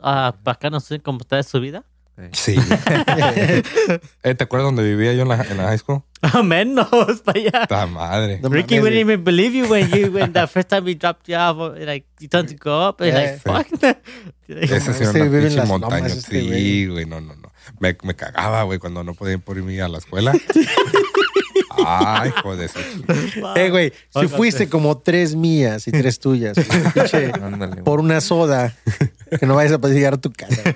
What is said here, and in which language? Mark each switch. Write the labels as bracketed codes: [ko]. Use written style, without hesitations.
[es] Acá no sé cómo está de su vida. Sí. ¿Te acuerdas dónde vivía yo en la [en] high school? [es] Oh, menos para allá. ¡Ta madre! [en] Ricky wouldn't even believe you when the first time he dropped you off, like you don't go up, like fuck. [es] Esa es una pinche montaña, sí, güey, no. me cagaba, güey, cuando no podía ir por mí a la escuela. Ay, joder. Güey, si fuiste como tres mías y tres tuyas, pinche, por una soda, que no vayas a poder llegar a tu casa.